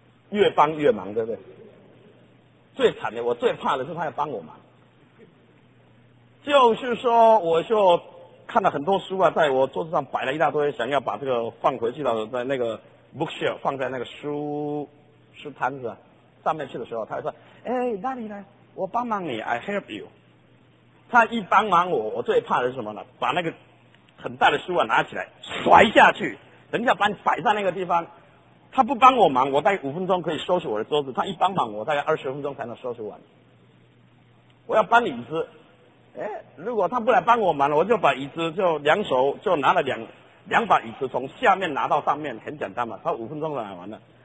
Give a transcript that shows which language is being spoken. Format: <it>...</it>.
<zh>越帮越忙，对不对？最惨的，我最怕的是他要帮我忙。就是说，我就看了很多书啊，在我桌子上摆了一大堆，想要把这个放回去到在那个 bookshelf 放在那个书摊子上面去的时候，他就说：“哎，那里呢？我帮忙你 ，</zh> <en>I help you。”</en> <zh>他一帮忙我最怕的是什么呢？把那个很大的书啊拿起来甩下去，等一下把你摆在那个地方。他不帮我忙，我大概五分钟可以收拾我的桌子，他一帮忙我大概二十分钟才能收拾完。我要搬椅子，如果他不来帮我忙，我就把椅子就两手就拿了两把椅子从下面拿到上面，很简单嘛，他五分钟就来完了。</zh>